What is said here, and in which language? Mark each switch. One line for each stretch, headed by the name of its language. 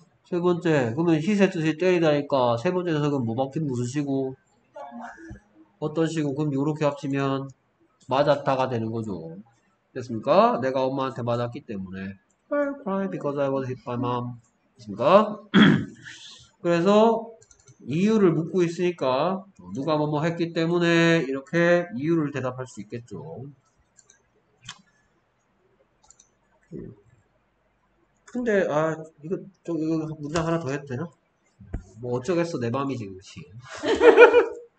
Korean: 세 번째, 그러면 히세 뜻이 때리다니까, 세 번째 녀석은 뭐 바뀐 무슨 시고, 어떤 시고, 그럼 요렇게 합치면 맞았다가 되는 거죠. 됐습니까? 내가 엄마한테 맞았기 때문에.
English: I cry because I was hit by mom.
Korean: 됐습니까? 그래서 이유를 묻고 있으니까, 누가 뭐뭐 했기 때문에, 이렇게 이유를 대답할 수 있겠죠. 근데 아 이거 좀 이거 문장 하나 더 해도 되나? 뭐 어쩌겠어 내 맘이지 그렇지.